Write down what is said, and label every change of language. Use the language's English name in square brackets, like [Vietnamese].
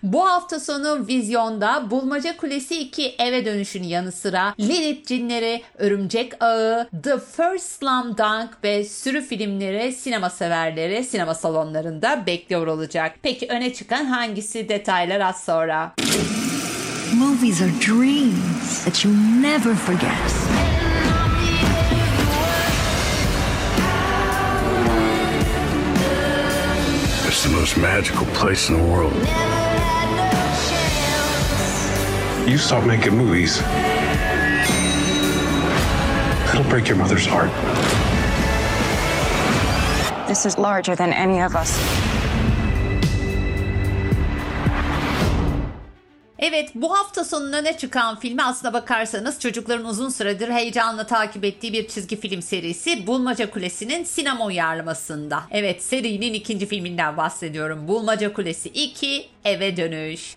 [Turkish] Bu hafta sonu vizyonda Bulmaca Kulesi 2 Eve Dönüş'ün yanı sıra Lilip Cinleri, Örümcek Ağı, The First Slam Dunk ve sürü filmleri sinema severleri sinema salonlarında bekliyor olacak. Peki öne çıkan hangisi? Detaylar az sonra. [English] Movies are dreams that you never forget. It's the most magical place in the world. You stop making movies, it'll break your mother's heart. This is larger than any of us. [Turkish] Evet, bu hafta sonuna ne çıkan filmi aslına bakarsanız çocukların uzun süredir heyecanla takip ettiği bir çizgi film serisi Bulmaca Kulesi'nin sinema uyarlamasında. Evet, serinin ikinci filminden bahsediyorum. Bulmaca Kulesi 2 Eve Dönüş.